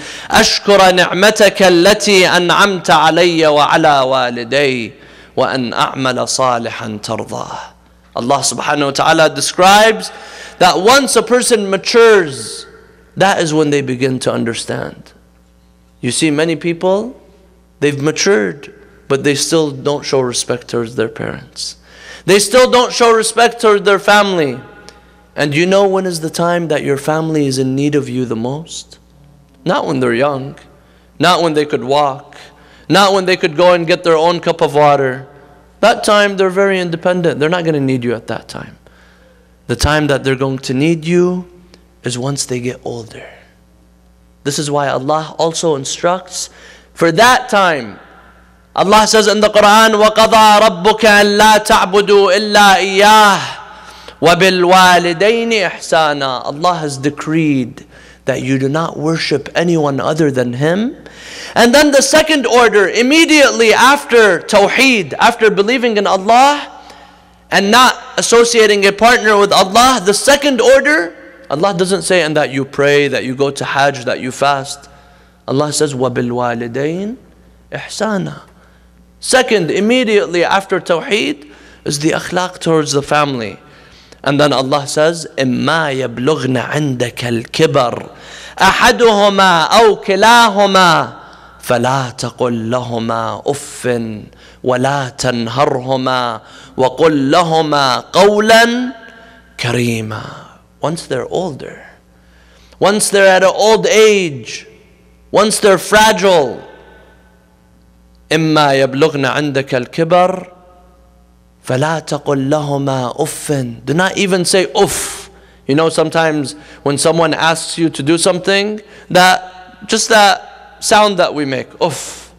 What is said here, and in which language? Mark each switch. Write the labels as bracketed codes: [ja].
[ar] أشكر نعمتك التي أنعمت علي وعلى والدي وأن أعمل صالحا ترضاه. [en] Allah subhanahu wa ta'ala describes that once a person matures, that is when they begin to understand. You see, many people, they've matured, but they still don't show respect towards their parents. They still don't show respect towards their family. And you know when is the time that your family is in need of you the most? Not when they're young. Not when they could walk. Not when they could go and get their own cup of water. That time, they're very independent. They're not going to need you at that time. The time that they're going to need you is once they get older. This is why Allah also instructs for that time. Allah says in the Quran, [ar] وَقَضَى رَبُّكَ أَلَّا تَعْبُدُوا إِلَّا إِيَّاهِ وَبِالْوَالِدَيْنِ إِحْسَانًا. [en] Allah has decreed that you do not worship anyone other than Him. And then the second order, immediately after Tawheed, after believing in Allah and not associating a partner with Allah, the second order, Allah doesn't say in that you pray, that you go to Hajj, that you fast. Allah says, [ar] وَبِالْوَالِدَيْنِ إِحْسَانًا. [en] Second, immediately after Tawheed, is the akhlaq towards the family. And then Allah says, [ar] إِمَّا يَبْلُغْنَ عِنْدَكَ الْكِبَرُ أَحَدُهُمَا أَوْ كِلَاهُمَا فَلَا تَقُلْ لَهُمَا أُفٍّ وَلَا تَنْهَرْهُمَا وَقُلْ لَهُمَا قَوْلًا كَرِيمًا. [en] Once they're older, once they're at an old age, once they're fragile, [ar] إِمَّا يَبْلُغْنَ عِنْدَكَ الْكِبَرُ فَلَا تَقُلْ لَهُمَا أُفٍّ. [en] Do not even say uff. You know, sometimes when someone asks you to do something, that just that sound that we make, uff.